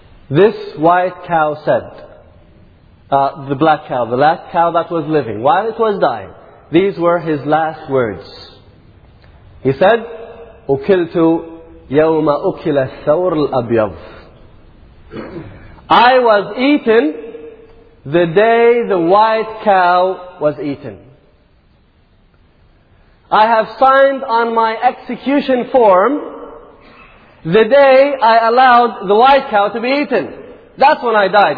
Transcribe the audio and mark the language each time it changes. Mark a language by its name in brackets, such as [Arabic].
[English] This white cow said, the black cow, the last cow that was living, while it was dying, these were his last words. He said, [Arabic] أُكِلْتُ يَوْمَ أُكِلَ الثَّوْرُ الْأَبْيَضُ. [English] I was eaten the day the white cow was eaten. I have signed on my execution form the day I allowed the white cow to be eaten. That's when I died.